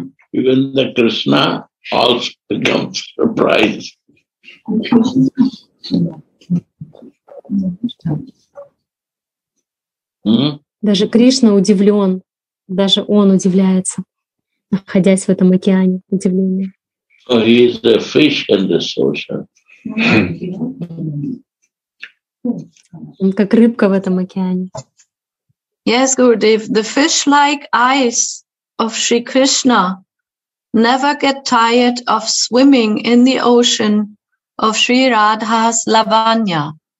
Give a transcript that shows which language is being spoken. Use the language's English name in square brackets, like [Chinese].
[English] Even the Krishna also becomes surprised. [Russian] Даже Кришна удивлен, даже он удивляется, находясь в этом океане удивления. [English] So he is the fish in this ocean. [Russian] Он как рыбка в этом океане. [English] Yes, Gurudev, the fish-like eyes of Sri Krishna never get tired of swimming in the ocean of Sri Radha's Lavanya.